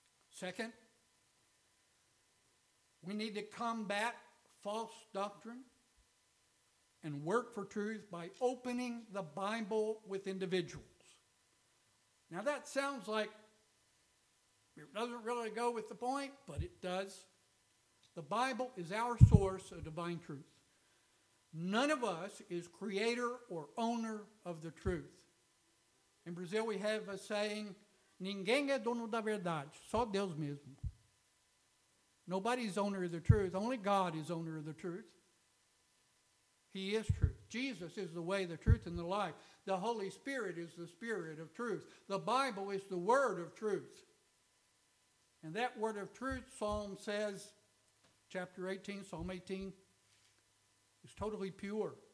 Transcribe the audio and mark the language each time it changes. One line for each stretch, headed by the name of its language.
English: Second, we need to combat false doctrine and work for truth by opening the Bible with individuals. Now that sounds like it doesn't really go with the point, but it does. The Bible is our source of divine truth. None of us is creator or owner of the truth. In Brazil we have a saying,
Portuguese: ninguém é dono da verdade, só Deus mesmo.
English: Nobody's owner of the truth. Only God is owner of the truth. He is truth. Jesus is the way, the truth, and the life. The Holy Spirit is the spirit of truth. The Bible is the word of truth. And that word of truth, Psalm says, Psalm 18, is totally pure.